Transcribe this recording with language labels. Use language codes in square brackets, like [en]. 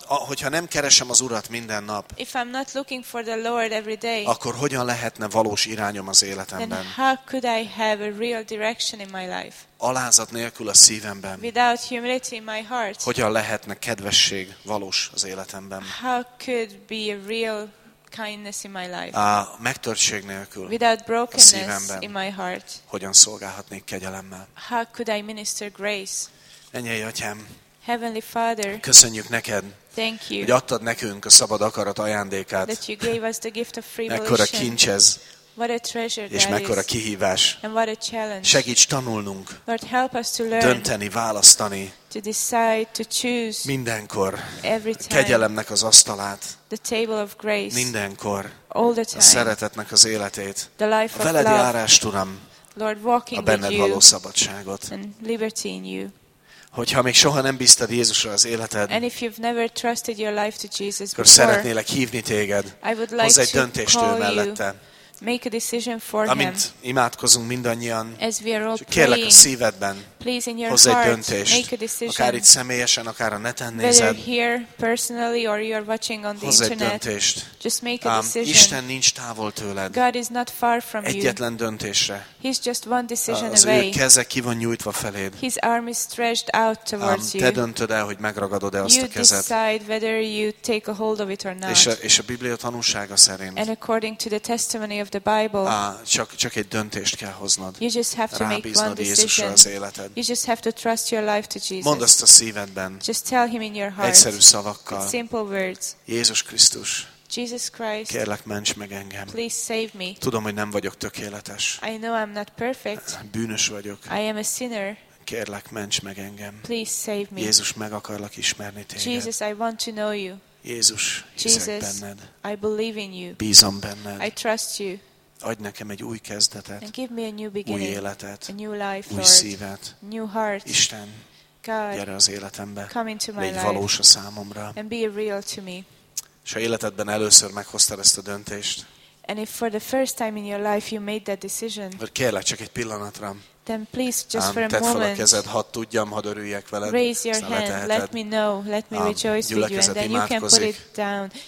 [hu] Hogyha nem keresem az Urat minden nap, [en] if I'm not looking for the Lord every day, [hu] akkor hogyan lehetne valós irányom az életemben? [en] Then how could I have a real direction in my life? [hu] Alázat nélkül a szívemben. [en] Without humility in my heart. [hu] Hogyan lehetne kedvesség valós az életemben? [en] How could be a real kindness in my life. [hu] A megtörtség nélkül. [en] Without brokenness in my heart. [hu] Hogyan szolgálhatnék kegyelemmel? [en] How could I minister grace? [hu] Ennyi, Atyám. [en] Heavenly Father. [hu] Köszönjük neked. [en] Thank you. [hu] Hogy adtad nekünk a szabad akarat ajándékát. [en] That you gave us the gift of free will. [hu] Mekkora kincs ez. [en] What a treasure that is. [hu] És mekkora kihívás. [en] And what a challenge. [hu] Segíts tanulnunk. [en] Lord, help us to learn. [hu] Dönteni, választani. [en] To decide, to choose. [hu] Mindenkor. [en] Every time. [hu] Kegyelemnek az asztalát. [en] The table of grace. [hu] Mindenkor. [en] All the time. [hu] A szeretetnek az életét. [en] The life of love. [hu] A veled járást, Uram. [en] Lord, walking with you. [hu] A benned való szabadságot. [en] And liberty in you. [hu] Hogyha még soha nem bíztad Jézusra az életed, [en] and if you've never trusted your life to Jesus before, [hu] akkor szeretnélek hívni téged, [en] I would like [hu] hozz egy döntést ő mellette. [en] Make a decision for him. [hu] Amint imádkozunk mindannyian, [en] as we are all praying, [hu] kérlek a szívedben, [en] please in your [hu] hozz egy döntést, [en] make a decision, [hu] akár itt személyesen, akár a neten nézed, [en] here personally or you are watching on the [hu] hozz [en] internet, [hu] egy döntést, [en] just make a decision. [hu] Isten nincs távol tőled, [en] God is not far from [hu] egyetlen [en] you. [hu] Döntésre, [en] he's just one decision [hu] az [en] away. [hu] Ő keze ki van nyújtva feléd, [en] his arm is stretched out towards you. [hu] Te döntöd el, hogy megragadod-e azt [en] you [hu] a kezed, [en] decide whether you take a hold of it or not. [hu] És a Biblia tanúsága szerint, [en] and according to the testimony of the Bible. [hu] Csak egy döntést kell hoznod. [en] You just have to make one decision. [hu] Az életed. [en] You just have to trust your life to Jesus. [hu] Mondd azt a szívedben. [en] Just tell him in your heart. [hu] Egyszerű szavakkal. [en] In simple words. [hu] Jézus Krisztus. [en] Jesus Christ. [hu] Kérlek, ments meg engem. [en] Please save me. [hu] Tudom, hogy nem vagyok tökéletes. [en] I know I'm not perfect. [hu] Bűnös vagyok. [en] I am a sinner. [hu] Kérlek, ments meg engem. [en] Please save me. [hu] Jézus, meg akarlak ismerni téged. [en] Jesus, I want to know you. [hu] Jézus, hiszek benned. [en] I believe in you. [hu] Bízom benned. [en] I trust you. [hu] Adj nekem egy új kezdetet. [en] And give me a new beginning. [hu] Új életet. [en] A new life, [hu] új szívet. [en] New heart. [hu] Isten, [en] God, [hu] gyere az életembe. [en] Come into my [hu] légy [en] life. [hu] Valós a számomra. [en] And be real to me. [hu] És ha életedben először meghoztad ezt a döntést, [en] and if for the first time in your life you made that decision, [hu] vagy kérlek csak egy pillanatra, [en] then please just for a moment. [hu] Tedd fel a kezed, hadd tudjam, hadd örüljek veled. [en] Raise your hand. Let me know. Let me rejoice with you. And then you can put it down.